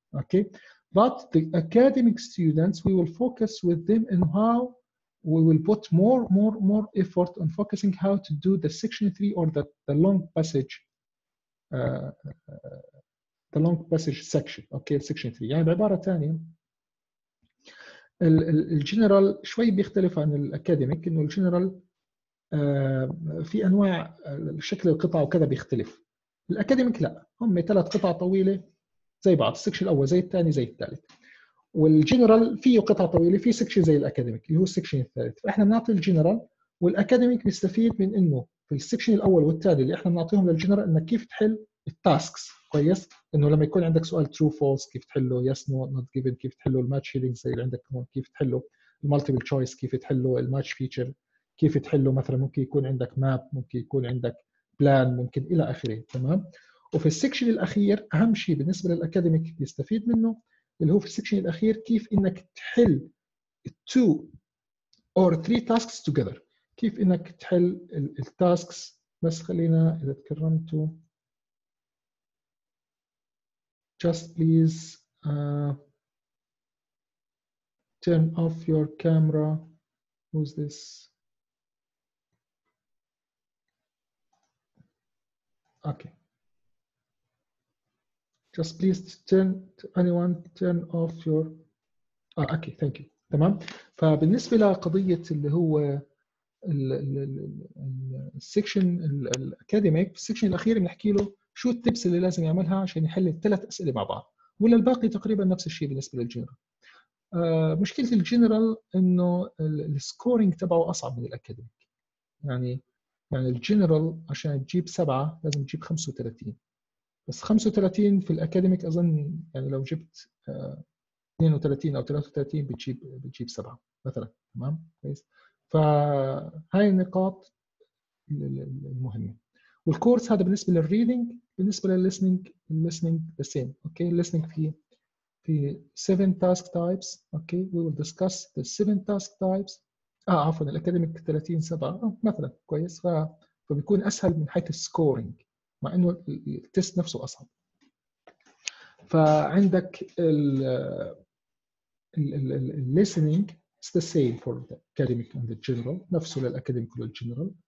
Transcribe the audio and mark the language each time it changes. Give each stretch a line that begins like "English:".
English: Okay, but the academic students, we will focus with them in how we will put more effort on focusing how to do the section 3 or the long passage, the long passage section. Okay, section 3.
Arabic: يعني بعبارة تانية الجنرال شوي بيختلف عن الأكاديميك، إنه الجنرال في أنواع شكل القطع وكذا بيختلف. الأكاديميك لا، هم ثلاث قطع طويلة زي بعض، السكشن الأول زي الثاني زي الثالث. والجنرال فيه قطع طويلة، فيه سكشن زي الأكاديميك اللي هو السكشن الثالث. فإحنا بنعطي الجنرال، والأكاديميك بيستفيد من إنه في السكشن الأول والثاني اللي إحنا بنعطيهم للجنرال إنه كيف تحل التاسكس كويس، انه لما يكون عندك سؤال
English: true false
Arabic: كيف تحله،
English: yes no not given
Arabic: كيف تحله، الماتش هيدنج زي اللي عندك هون كيف تحله، المالتيبل تشويس كيف تحله، الماتش فيتشر كيف تحله، مثلا ممكن يكون عندك ماب، ممكن يكون عندك بلان، ممكن الى اخره. تمام. وفي السكشن الاخير اهم شيء بالنسبه للاكاديميك بيستفيد منه اللي هو في السكشن الاخير كيف انك تحل
English: two or three tasks together،
Arabic: كيف انك تحل التاسكس. بس خلينا اذا تكرمتوا
English: just please turn off your camera. Who's this? Okay. Just please turn off your. Okay. Thank you.
Arabic: تمام. فبالنسبة لقضية اللي هو ال section الأكاديميك، في السكشن الأخير بنحكي له شو التبس اللي لازم يعملها عشان يحل الثلاث أسئلة مع بعض، ولا الباقي تقريبا نفس الشيء بالنسبة للجنرال. مشكلة الجنرال إنه السكورينج تبعه أصعب من الأكاديميك، يعني الجنرال عشان تجيب 7 لازم تجيب 35، بس 35 في الأكاديميك أظن يعني لو جبت 32 أو 33 بتجيب 7 مثلا. تمام كويس. فهاي النقاط المهمة. والكورس هذا بالنسبة للريدنج، بالنسبة للليسنينج، الليسنينج
English: the same. Okay, listening في 7 task types. Okay, we will discuss the 7 task types.
Arabic: عفوا الأكاديميك 37 مثلا كويس، فبيكون أسهل من حيث السكورينج، مع إنه التست نفسه أصعب. فعندك الليسنينج
English: it's the same for the academic and the general،
Arabic: نفسه للأكاديميك والجنرال.